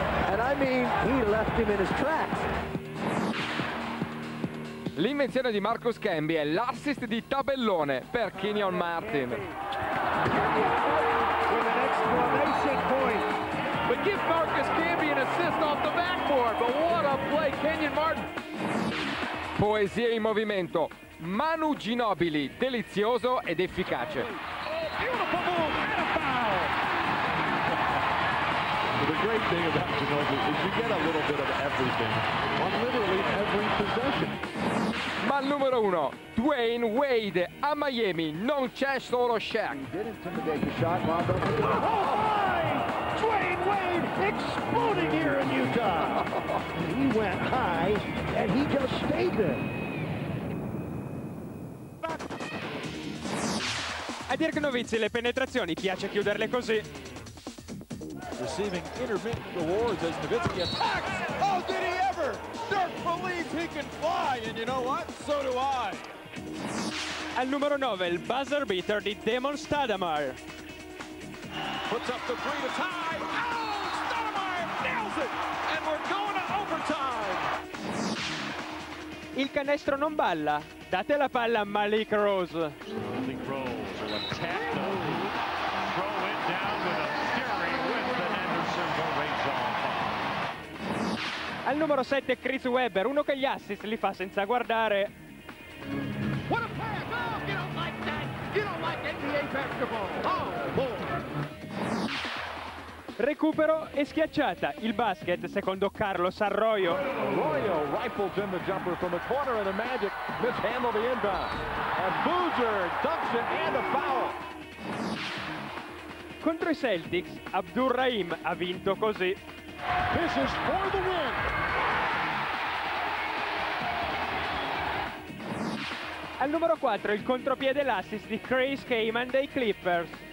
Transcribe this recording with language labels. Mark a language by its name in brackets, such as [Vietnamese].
[English] And I mean, he left him in his tracks. [Italian] L'invenzione di Marcus Camby è l'assist di tabellone per Kenyon Martin. [English] With an exclamation point. But give Marcus Camby an assist off the backboard. But what a play, Kenyon Martin. [Italian] Poesia in movimento. Manu Ginobili, delizioso ed efficace. [English] Oh, beautiful move and a foul. The great thing about Ginobili is you get a little bit of everything on literally every possession. [Italian] Ma il numero uno, Dwayne Wade, a Miami non c'è solo Shaq. [English] Dwayne Wade exploding here in Utah. He went high and he just stayed there. [Italian] A Dirk Nowitzki le penetrazioni piace chiuderle così. [English] Receiving intermittent awards as Nowitzki attacks. Oh, did he ever? Dirk believes he can fly, and you know what? So do I. [Italian] Al numero 9, il buzzer beater di Damon Stoudemire. [English] Puts up the three to tie. Oh, Stoudemire nails it! And we're going to overtime! [Italian] Il canestro non balla. Date la palla a Malik Rose. [English] Malik Rose will attack the hoop. Throw it down with a fury with the Henderson Horizon. [Italian] Al numero 7, Chris Webber, uno che gli assist li fa senza guardare. [English] What a pass! Oh, you don't like that! You don't like NBA basketball! Oh, boy! [Italian] Recupero e schiacciata. Il basket, secondo Carlos Arroyo. [English] Arroyo rifles in the jumper from the corner and the Magic mishandle the inbound. And Boozer dunks it and a foul. [Italian] Contro i Celtics, Abdul Rahim ha vinto così. [English] This is for the win. [Italian] Al numero 4, il contropiede l'assist di Chris Kaman dei Clippers.